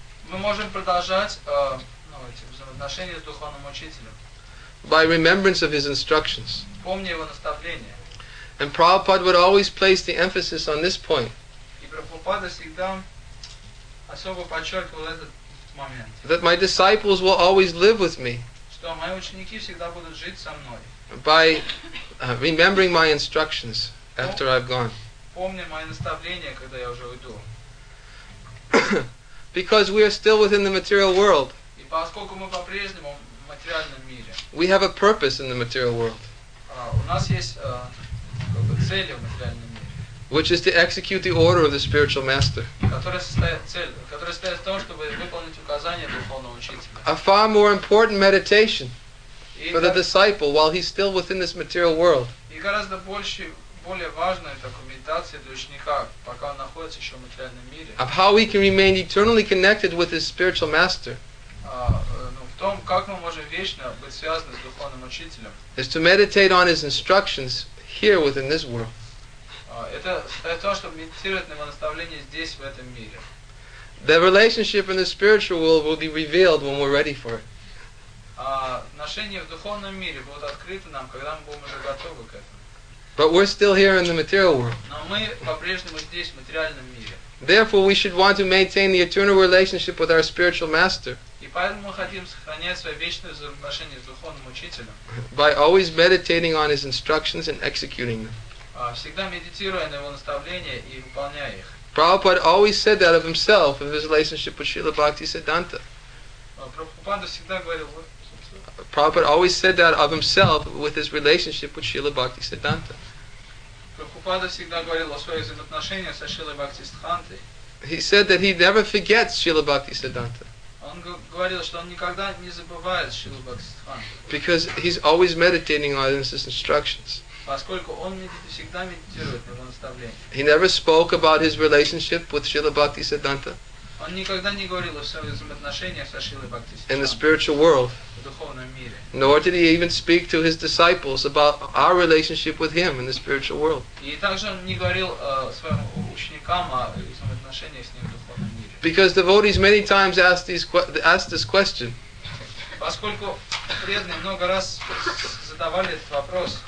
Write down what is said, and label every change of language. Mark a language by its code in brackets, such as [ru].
[ru] Мы можем продолжать, ну, эти взаимоотношения с духовным учителем. [en] By remembrance of his instructions. [ru] Помни его наставления. [en] And Prabhupada would always place the emphasis on this point. [ru] И Прабхупада всегда особо подчеркивал этот момент. [en] That my disciples will always live with me. [ru] Что мои ученики всегда будут жить со мной. [en] By remembering my instructions after I've gone. [ru] Помни мои наставления, когда я уже уйду. [en] Because we are still within the material world. [ru] И поскольку мы по-прежнему в материальном мире. [en] We have a purpose in the material world. [ru] У нас есть как бы цель в материальном мире. [en] Which is to execute the order of the spiritual master. [ru] Которая состоит в том, чтобы выполнить указания духовного учителя. [en] A far more important meditation for the disciple while he's still within this material world. [ru] И гораздо более важное такое медитация для ученика, пока он находится еще в материальном мире. [en] Of how we can remain eternally connected with his spiritual master. [ru] В том, как мы можем вечно быть связаны с духовным учителем. [en] Is to meditate on his instructions here within this world. [ru] Это состоит в том, чтобы медитировать на его наставления здесь, в этом мире. [en] The relationship in the spiritual world will be revealed when we're ready for it. [ru] Отношения в духовном мире будут открыты нам, когда мы будем уже готовы к этому. [en] But we're still here in the material world. [ru] Но мы по-прежнему здесь, в материальном мире. [en] Therefore, we should want to maintain the eternal relationship with our spiritual master. [ru] И поэтому мы хотим сохранять свои вечные взаимоотношения с духовным учителем. [en] By always meditating on his instructions and executing them. [ru] Всегда медитируя на его наставления и выполняя их. [en] Prabhupada always said that of himself in his relationship with Srila Bhaktisiddhanta. [ru] Prabhupada всегда говорил. [en] Prabhupada always said that of himself with his relationship with Srila Bhaktisiddhanta. [ru] Prabhupada всегда говорил о своих взаимоотношениях со Шрилой Бхактисиддхантой. [en] He said that he never forgets Srila Bhaktisiddhanta. [ru] Он говорил, что он никогда не забывает Шрилу Бхактисиддханту. [en] Because he's always meditating on his instructions. [ru] Поскольку он всегда медитирует на наставление. [en] He never spoke about his relationship with Śrīla Bhaktisiddhānta. [ru] Он никогда не говорил о своих взаимоотношениях со Śrīla Bhaktisiddhānta. [en] In the spiritual world. [ru] В духовном мире. [en] Nor did he even speak to his disciples about our relationship with him in the spiritual world. [ru] И также он не говорил своим ученикам о взаимоотношениях с ним в духовном мире. [en] Because devotees many times asked this question. [ru] Поскольку преданные много раз задавали этот вопрос.